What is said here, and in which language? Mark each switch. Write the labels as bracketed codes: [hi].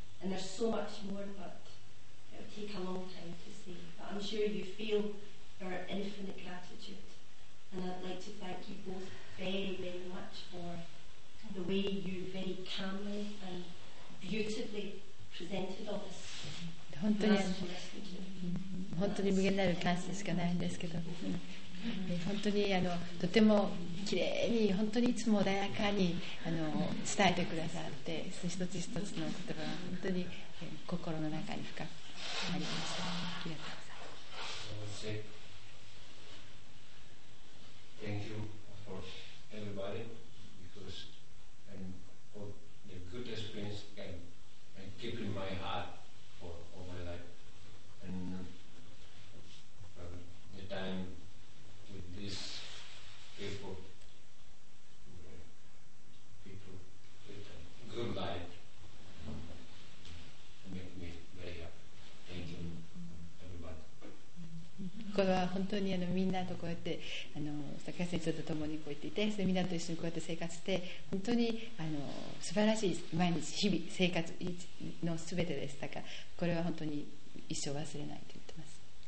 [en] And there's so much more, but it would take a long time to say. But I'm sure you feel our infinite gratitude. And I'd like to thank you both very, very much for the way you very calmly and beautifully presented all this. [ja] 本当に無限なる感謝しかないんですけど、本当にとても綺麗に本当にいつも穏やかに伝えてくださって、一つ一つの言葉が本当に心の中に深くありました。ありがとうございます。 [en] Thank you for everybody because and for the good experience and keep in my heart for all my life and the time with this people with a good life make me very happy. Thank you everybody. [ja] これは本当にみんなとこうやって坂井先生と共にこう言っていて、それみんなと一緒にこうやって生活して本当に素晴らしい毎日日々生活のすべてでしたから、これは本当に一生忘れないと言ってます。